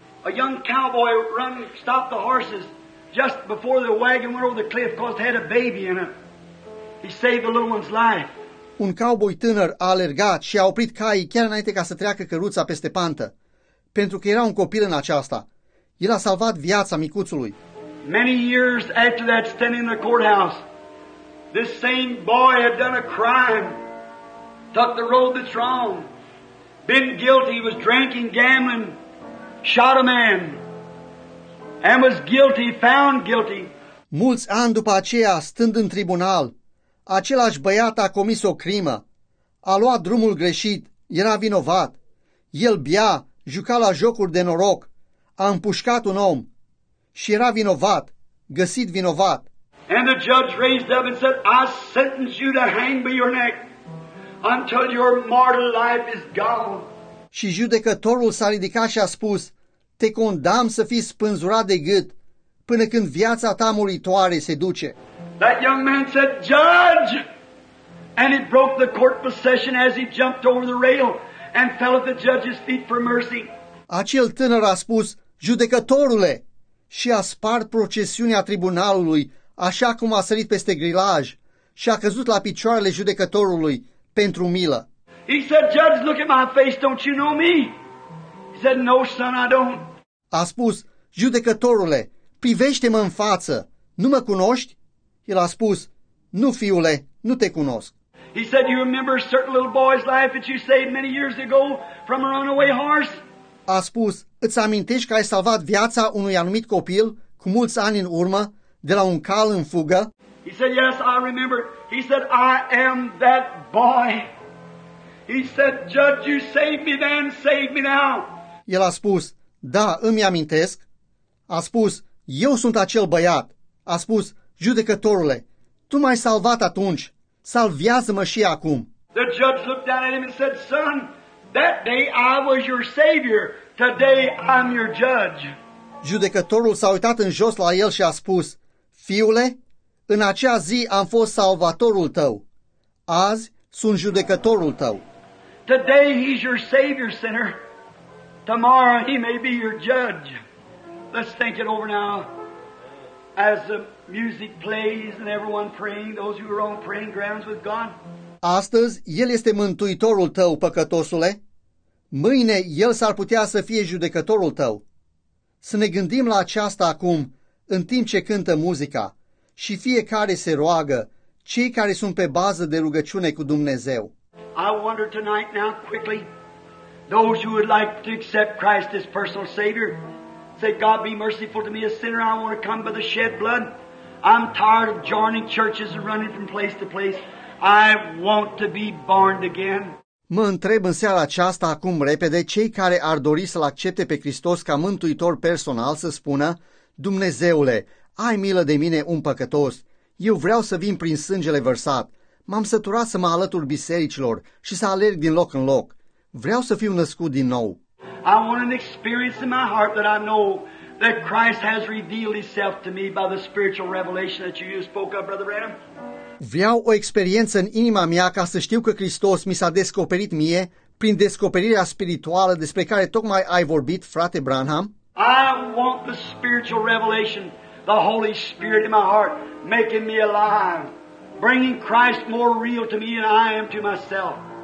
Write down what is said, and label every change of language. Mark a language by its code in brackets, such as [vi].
[en] A young cowboy run stopped the horses just before the wagon went over the cliff because it had a baby in it. He saved the little one's life. [ro] Un cowboy tânăr a alergat și a oprit caii chiar înainte ca să treacă căruța peste pantă, pentru că era un copil în aceasta. El a salvat viața micuțului. [en] Many years after that, standing in the courthouse, this same boy had done a crime, took the road that's wrong, been guilty, was drinking, gambling, shot a man, and was guilty, found guilty. [ro] Mulți ani după aceea, stând în tribunal, același băiat a comis o crimă, a luat drumul greșit, era vinovat, el bea, juca la jocuri de noroc, a împușcat un om și era vinovat, găsit vinovat. [en] And the judge raised up and said, I sentence you to hang by your neck until your mortal life is gone. [ro] Și judecătorul s-a ridicat și a spus, te condamn să fii spânzurat de gât până când viața ta muritoare se duce. [en] That young man said, judge! And he broke the court procession as he jumped over the rail and fell at the judge's feet for mercy. [ro] Acel tânăr a spus, judecătorule, și a spart procesiunea tribunalului așa cum a sărit peste grilaj și a căzut la picioarele judecătorului pentru milă. [en] He said, judge, look at my face, don't you know me? He said, no, son, I don't. [ro] A spus, judecătorule, privește-mă în față, nu mă cunoști? El a spus, nu, fiule, nu te cunosc. [en] He said, you remember a certain little boy's life that you saved many years ago from a runaway horse? [ro] A spus, îți amintești că ai salvat viața unui anumit copil cu mulți ani în urmă de la un cal în fugă? [en] He said, yes, I remember. He said, I am that boy. He said, judge, you saved me then, save me now. [ro] El a spus, da, îmi amintesc. A spus, eu sunt acel băiat. A spus, judecătorule, tu m-ai salvat atunci. Salvează-mă și acum. [en] The judge looked down at him and said, son, that day I was your savior. Today I'm your judge. [ro] Judecătorul s-a uitat în jos la el și a spus, fiule, în acea zi am fost salvatorul tău. Azi sunt judecătorul tău. [en] Today he's your savior, sinner. Tomorrow he may be your judge. Let's think it over now. As the music plays and everyone praying, those who are on praying grounds with God. [ro] Astăzi, El este mântuitorul tău, păcătosule. Mâine, El s-ar putea să fie judecătorul tău. Să ne gândim la aceasta acum, în timp ce cântă muzica, și fiecare se roagă, cei care sunt pe bază de rugăciune cu Dumnezeu. [en] I wonder tonight now, quickly, those who would like to accept Christ as personal Savior, say, God be merciful to me, a sinner, I want to come by the shed blood. I'm tired of joining churches and running from place to place. I want to be born again. [ro] Mă întreb în seara aceasta acum repede cei care ar dori să-L accepte pe Hristos ca mântuitor personal să spună, Dumnezeule, ai milă de mine un păcătos. Eu vreau să vin prin sângele vărsat. M-am săturat să mă alătur bisericilor și să alerg din loc în loc. Vreau să fiu născut din nou. [en] I want an experience in my heart that I know that Christ has revealed himself to me by the spiritual revelation that you spoke of, Brother Branham. [ro] Vreau o experiență în inima mea ca să știu că Hristos mi s-a descoperit mie prin descoperirea spirituală despre care tocmai ai vorbit, frate Branham. [en] I want the spiritual revelation, the Holy Spirit in my heart, making me alive, bringing Christ more real to me than I am to myself.